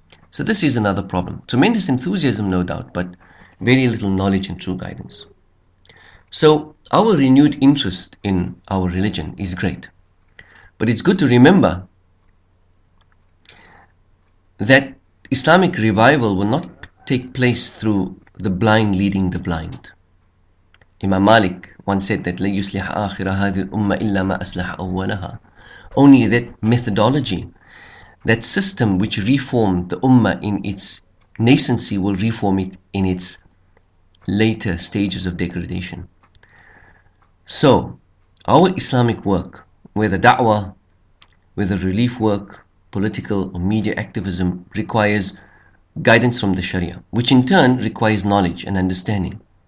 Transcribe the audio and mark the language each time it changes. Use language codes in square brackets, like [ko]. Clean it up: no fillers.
[en] So this is another problem. Tremendous enthusiasm, no doubt, but very little knowledge and true guidance. So our renewed interest in our religion is great. But it's good to remember that Islamic revival will not take place through the blind leading the blind. Imam Malik once said that [ar] لَا يُصْلِحَ آخِرَ هَذِي الْأُمَّةِ إِلَّا مَا أَصْلَحَ أَوَّلَهَا. [en] Only that methodology, that system which reformed the Ummah in its nascency will reform it in its later stages of degradation. So, our Islamic work, whether da'wah, whether relief work, political or media activism, requires guidance from the Sharia, which in turn requires knowledge and understanding.